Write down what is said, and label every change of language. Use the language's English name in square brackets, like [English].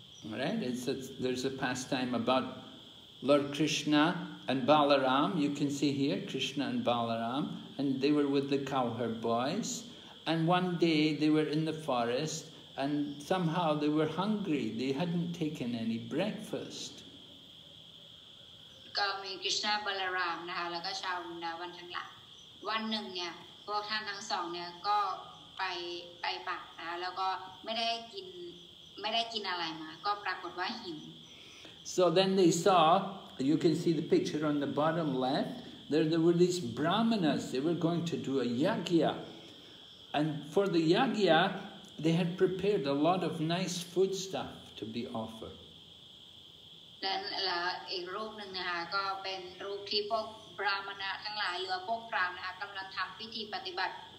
[English] Right, there's a pastime about Lord Krishna and Balaram. You can see here, Krishna and Balaram. And they were with the cowherd boys. And one day they were in the forest and somehow they were hungry. They hadn't taken any breakfast. [Thai] ก็มีKrishna Balaram นะคะแล้วก็ชาววันทั้งหลายวันหนึ่งเนี่ยพวกท่านทั้งสองเนี่ยก็ไปป่านะแล้วก็ไม่ได้กินอะไรมาก็ปรากฏว่าหิว [English] So then they saw, you can see the picture on the bottom left, there were these brahmanas, they were going to do a yagya. And for the yagya, they had prepared a lot of nice food stuff to be offered. Then, [Thai] อีกรูปหนึ่งนะคะก็เป็นรูปที่พวกบราหมณะทั้งหลายหรือพวกพราหมณ์นะคะกำลังทำพิธีปฏิบัติ